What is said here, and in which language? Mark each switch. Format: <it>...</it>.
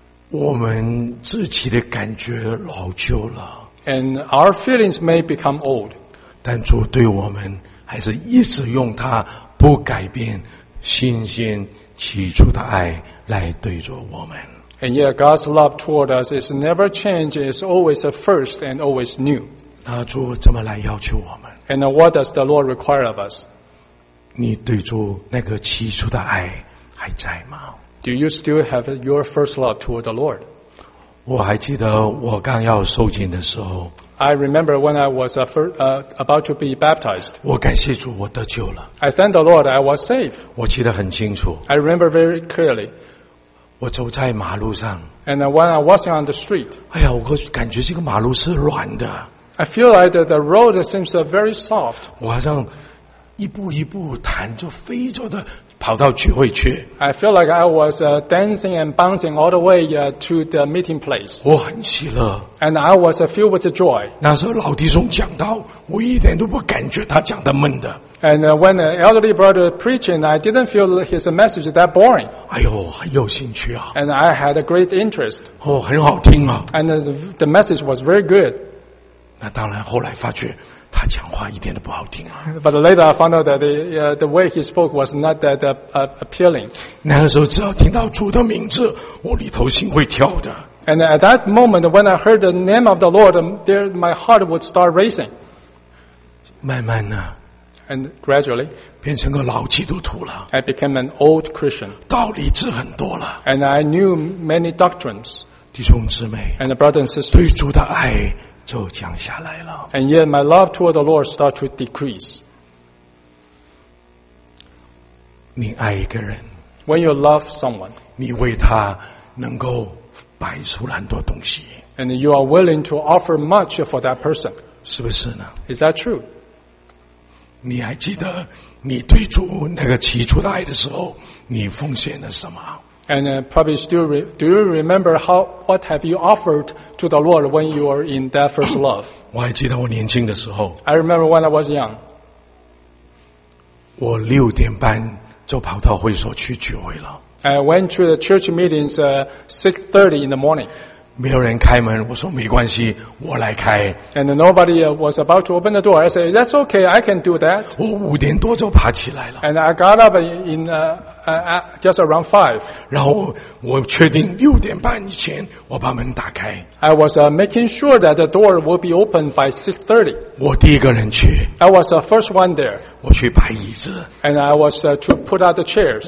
<zh>我们自己的感觉老旧了。</zh> <en>And our feelings may become old.</en> <zh>但主对我们还是一直用他不改变新鲜起初的爱来对着我们。</zh> <en>And yet God's love toward us is never changing, it's always a first and always new.</en> <zh>那主怎么来要求我们？</zh> <en>And what does the Lord require of us?</en> <zh>你对主那个起初的爱还在吗？</zh> <en>Do you still have your first love toward the Lord?</en> <zh>我还记得我刚要受浸的时候。</zh> <en>I remember when I was about to be baptized.</en> <zh>我感谢主，我得救了。</zh> <en>I thank the Lord, I was saved.</en> <zh>我记得很清楚。</zh> <en>I remember very clearly.</en> <zh>我走在马路上。</zh> <en>And when I was on the street.</en> <zh>哎呀，我感觉这个马路是软的。</zh> <en>I feel like the road seems very soft.</en> <zh>我好像一步一步弹着飞着的跑到聚会去。</zh> <en>I feel like I was dancing and bouncing all the way to the meeting place.</en> <zh>我很喜乐。</zh> <en>And I was filled with joy.</en> <zh>那时候老弟兄讲到，我一点都不感觉他讲的闷的。</zh> <en>And when the elderly brother preaching, I didn't feel his message that boring.</en> <zh>哎呦，很有兴趣啊。</zh> <en>And I had a great interest.</en> <zh>哦，很好听啊。</zh> <en>And the message was very good.</en> <zh>那当然，后来发觉他讲话一点都不好听啊。</zh> <en>But later I found out that the way he spoke was not that appealing.</en> <zh>那个时候只要听到主的名字，我里头心会跳的。</zh> <en>And at that moment when I heard the name of the Lord, there my heart would start racing.</en> <zh>慢慢呢。</zh> <en>And gradually.</en> <zh>变成个老基督徒了。</zh> <en>I became an old Christian.</en> <zh>道理知很多了。</zh> <en>And I knew many doctrines.</en> <zh>弟兄姊妹。</zh> <en>And brothers and sisters.</en> <zh>对主的爱就降下来了。</zh> <en>And yet my love toward the Lord starts to decrease.</en> <zh>你爱一个人。</zh> <en>When you love someone.</en> <zh>你为他能够摆出很多东西。</zh> <en>And you are willing to offer much for that person.</en> <zh>是不是呢？</zh> <en>Is that true?</en> <zh>你还记得你对主那个起初的爱的时候，你奉献了什么？</zh> <en>And probably still, do you remember what have you offered to the Lord when you were in that first love?</en> <zh>我还记得我年轻的时候。</zh> <en>I remember when I was young.</en> <zh>我六点半就跑到会所去聚会了。</zh> <en>I went to the church meetings 6:30 in the morning.</en> <zh>没有人开门，我说没关系，我来开。</zh> <en>And nobody was about to open the door. I said, "That's okay, I can do that."</en> <zh>我五点多就爬起来了。</zh> <en>And I got up in just around five.</en> <zh>然后我确定六点半以前我把门打开。</zh> <en>I was making sure that the door will be open by 6:30.</en> <zh>我第一个人去。</zh> <en>I was the first one there.</en> <zh>我去摆椅子。</zh> <en>And I was to put out the chairs.</en>